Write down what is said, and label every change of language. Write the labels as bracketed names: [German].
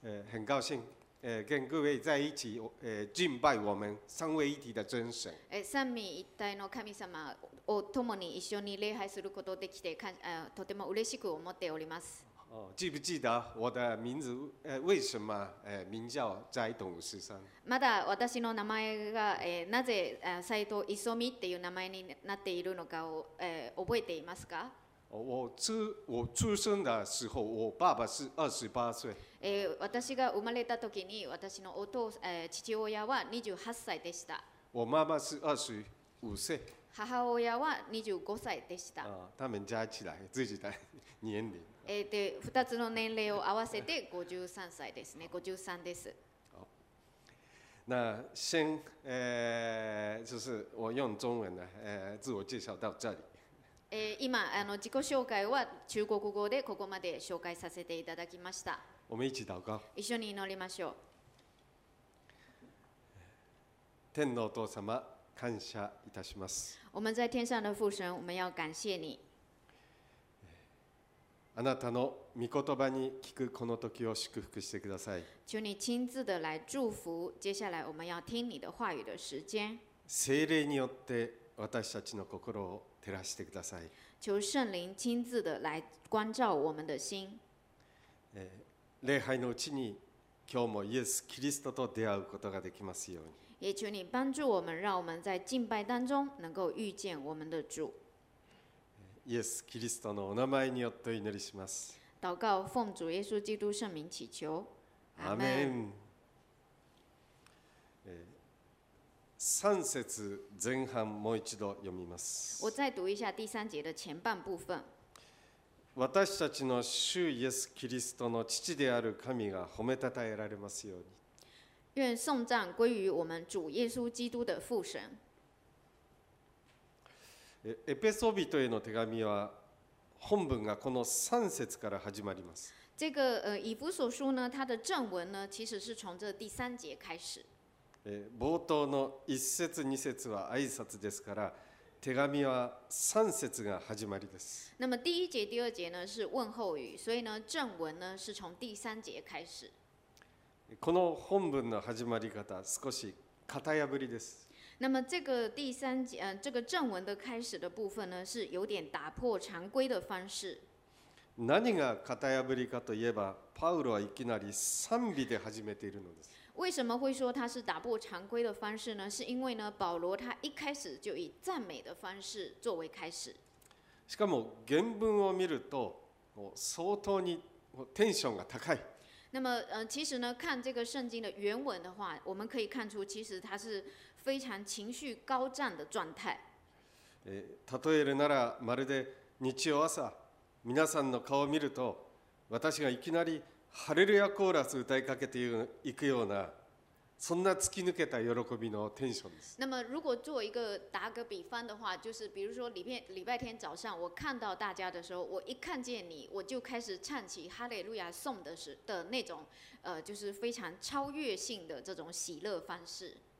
[Chinese] 很高兴跟各位在一起敬拜我们三位一体的真神。 [Japanese] 三位一体の神様を共に一緒に礼拝することができて、とても嬉しく思っております。 [Chinese] 记不记得我的名字？为什么名叫斋藤氏三？ [Japanese] まだ私の名前がなぜ斎藤磯美っていう名前になっているのかを覚えていますか？ [Chinese] 我出生的时候，我爸爸是28岁。 [Japanese] 私が生まれた時に私の父親は28歳でした。 [Chinese] 我妈妈是25岁。 [Japanese] 母親は25歳でした。 [Chinese] 他们加起来自己的年龄。 [Japanese] で2つの年齢を合わせて53歳ですね。 53です。 [Chinese] 那先就是我用中文的自我介绍到这里。 [Japanese] 今自己紹介は中国語でここまで紹介させていただきました。 [Chinese] 我们一起祷告。 [Japanese] 一緒に祈りましょう。天のお父様、感謝いたします。 [Chinese] 我们在天上的父神，我们要感谢你。 [Japanese] あなたの御言葉に聞くこの時を祝福してください。 [Chinese] 求你亲自的来祝福，接下来我们要听你的话语的时间。 [Japanese] 聖霊によって私たちの心を照らしてください。 [Chinese] 求圣灵亲自的来关照我们的心。 [Japanese] 礼拝のうちに今日もイエス・キリストと出会うことができますように。 [Chinese] 也求你帮助我们，让我们在敬拜当中能够遇见我们的主。 [Japanese] イエス・キリストのお名前によって祈りします。 [Chinese] 祷告奉主耶稣基督圣名祈求。 [Japanese] アーメン。三節前半もう一度読みます。 [Chinese] 我再读一下第三节的前半部分。 [Japanese] 私たちの主イエス・キリストの父である神が褒めたたえられますように。 [Chinese] 愿颂赞归于我们主耶稣基督的父神。 [Japanese] エペソ人への手紙は本文がこの三節から始まります。 [Chinese] 这个以弗所书呢，它的正文呢，其实是从这第三节开始。 [Japanese] 冒頭の一節二節は挨拶ですから、手紙は三節が始まりです。 [Chinese] 那么第一节、第二节呢是问候语，所以呢正文呢是从第三节开始。 [Japanese] この本文の始まり方少し型破りです。 [Chinese] 那么这个第三节、这个正文的开始的部分呢是有点打破常规的方式。 [Japanese] 何が型破りかといえば、パウロはいきなり賛美で始めているのです。 [Chinese] 为什么会说他是打破常规的方式呢？是因为呢，保罗他一开始就以赞美的方式作为开始。 [Japanese] しかも原文を見ると、相当にテンションが高い。 [Chinese] 那么，其实呢，看这个圣经的原文的话，我们可以看出，其实他是非常情绪高涨的状态。 [Japanese] 例えるならまるで日曜朝、皆さんの顔を見ると、私がいきなりハレルヤコーラス歌いかけていくようなそんな突き抜けた喜びのテンションです。 [Chinese] 那么如果做一个打个比方的话，就是比如说礼拜天早上我看到大家的时候，我一看见你，我就开始唱起哈利路亚颂的那种，就是非常超越性的这种喜乐方式。